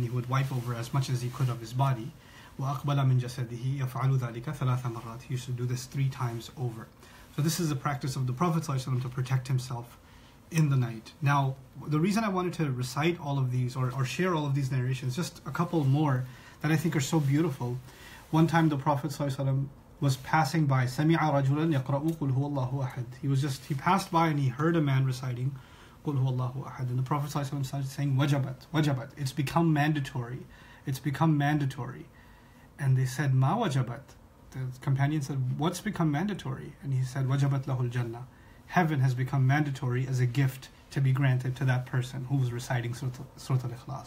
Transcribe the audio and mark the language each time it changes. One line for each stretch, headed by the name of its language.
English: Then he would wipe over as much as he could of his body.
Arabic: وأقبل من جسده يفعل ذلك ثلاث مرات.
English: He used to do this three times over. So this is a practice of the Prophet ﷺ to protect himself in the night. Now, the reason I wanted to recite all of these or share all of these narrations, just a couple more that I think are so beautiful. One time the Prophet ﷺ was passing by,
Arabic: سَمِعَ رَجُلًا يَقْرَأُ قُلْ هُوَ اللَّهُ أَحَدٍ.
English: He passed by and he heard a man reciting,
Arabic: قُلْ هُوَ اللَّهُ أَحَدٍ.
English: And the Prophet ﷺ started saying,
Arabic: وَجَبَتْ, وَجَبَتْ.
English: It's become mandatory. It's become mandatory. And they said,
Arabic: مَا وَجَبَتْ.
English: The companion said, what's become mandatory? And he said,
Arabic: وَجَبَتْ لَهُ الْجَنَّةِ.
English: Heaven has become mandatory as a gift to be granted to that person who was reciting Surah Al-Ikhlas.